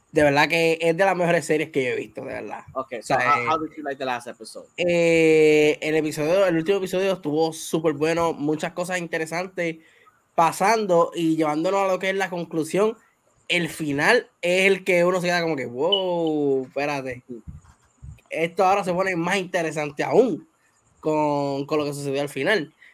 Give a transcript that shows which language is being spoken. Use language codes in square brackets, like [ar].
[es] De verdad que es de las mejores series que yo he visto, de verdad. [en] Okay, so how did you like the last episode? [es] El último episodio estuvo súper bueno, muchas cosas interesantes pasando y llevándonos a lo que es la conclusión. El final es el que uno se queda como que, wow, espérate. Esto ahora se pone más interesante aún con lo que sucedió al final.